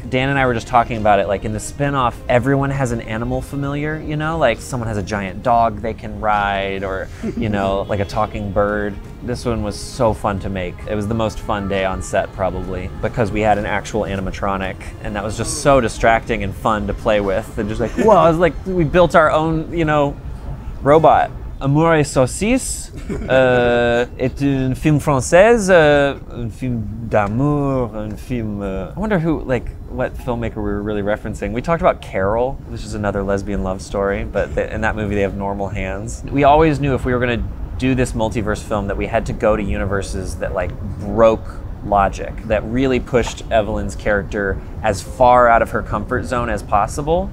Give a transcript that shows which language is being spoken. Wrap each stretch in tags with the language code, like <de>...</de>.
<en>Dan and I were just talking about it. Like in the spinoff, everyone has an animal familiar, you know, like someone has a giant dog they can ride or, you know, like a talking bird. This one was so fun to make. It was the most fun day on set probably because we had an actual animatronic and that was just so distracting and fun to play with. And just like, whoa, it was like we built our own, you know, robot.</en> <fr>Amour et Saucisse est un film français, un film d'amour, un film...</fr> <en>I wonder who, like, what filmmaker we were really referencing. We talked about Carol, which is another lesbian love story, but in that movie they have normal hands. We always knew if we were gonna do this multiverse film that we had to go to universes that, like, broke logic, that really pushed Evelyn's character as far out of her comfort zone as possible.</en>